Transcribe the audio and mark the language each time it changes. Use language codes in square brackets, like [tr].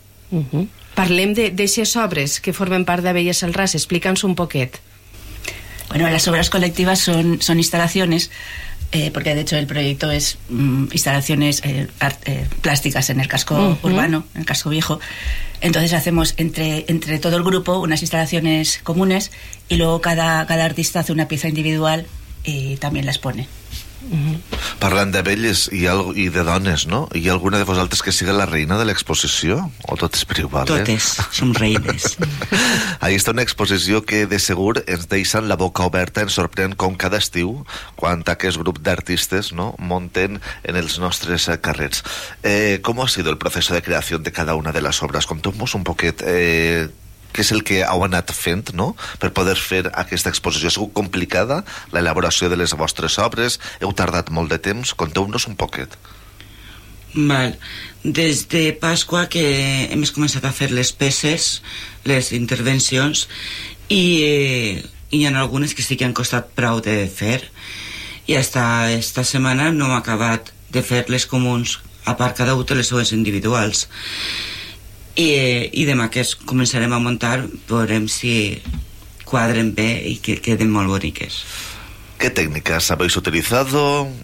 [ca] Uh-huh. Parlem d'aixes obres que formen part de Belles al Ras. Explica'ns un poquet. Bueno, les obres col·lectives són instal·lacions, perquè, [es] de hecho, [ca] el projecte és instal·lacions plàstiques en el casco, uh-huh, [es] urbano, en el casco viejo. Entonces, hacemos entre todo el grupo unas instal·lacions comunes y luego cada artista hace una pieza individual y también las pone. [ca] Uh-huh. Parlant de belles i de dones, no? Hi ha alguna de vosaltres que siga la reina de l'exposició? O tot és privat? Totes, som reines. Ahí està una exposició que de segur ens deixen la boca oberta, ens sorprèn com cada estiu quan aquest grup d'artistes, no?, monten en els nostres carrers. Com ha sigut el procés de creació de cada una de les obres? Contem-nos un poquet què és el que heu anat fent, no?, per poder fer aquesta exposició. Ha sigut complicada l'elaboració de les vostres obres? Heu tardat molt de temps? Conteu-nos un poquet. Val. Des de Pasqua que hem començat a fer les peces, les intervencions, i hi ha algunes que sí que han costat prou de fer, i [es] hasta esta [ca] setmana no hem acabat de fer les comuns, a part cada una de les seues individuals. I demà que començarem a muntar veurem si quadren bé i que queden molt boniques. [es] ¿Qué técnicas habéis utilizado?